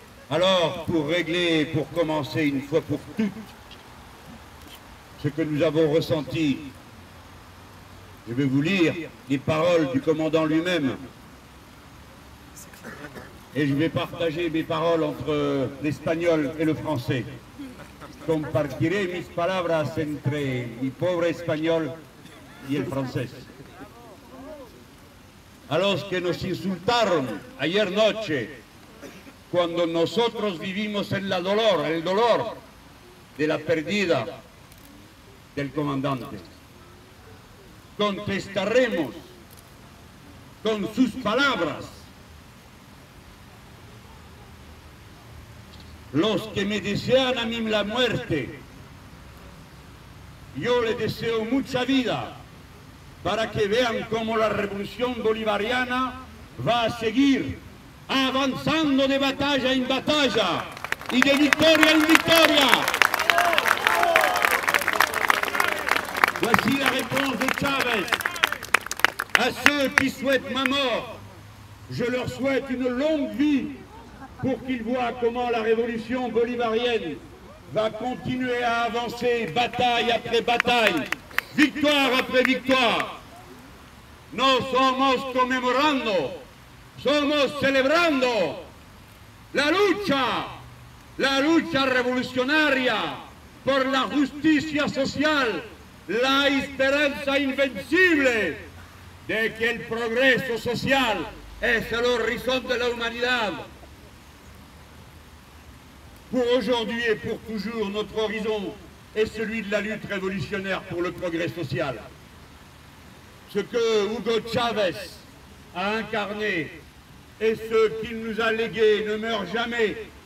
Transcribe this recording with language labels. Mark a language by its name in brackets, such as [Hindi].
[French] Alors, pour régler, pour commencer une fois pour toutes, ce que nous avons ressenti, je vais vous lire les paroles du commandant lui-même. Et je vais partager mes paroles entre l'espagnol et le français. [Spanish] Compartiré mis palabras entre mi pobre español y el francés. A los que nos insultaron ayer noche, cuando nosotros vivimos en la dolor, el dolor de la pérdida del comandante. Contestaremos con sus palabras. Los que me desean a mí la muerte, yo les deseo mucha vida para que vean cómo la revolución bolivariana va a seguir avanzando de batalla en batalla y de victoria en victoria. [French] Voici la réponse de Chávez. A ceux qui souhaitent ma mort, je leur souhaite une longue vie pour qu'ils voient comment la révolution bolivarienne va continuer à avancer bataille après bataille, victoire après victoire. [Spanish] No somos conmemorando, somos celebrando la lucha revolucionaria por la justicia social, la esperanza invencible de que el progreso social es el horizonte de la humanidad. [French] Pour aujourd'hui et pour toujours, notre horizon est celui de la lutte révolutionnaire pour le progrès social. Ce que Hugo Chavez a incarné et ce qu'il nous a légué ne meurt jamais.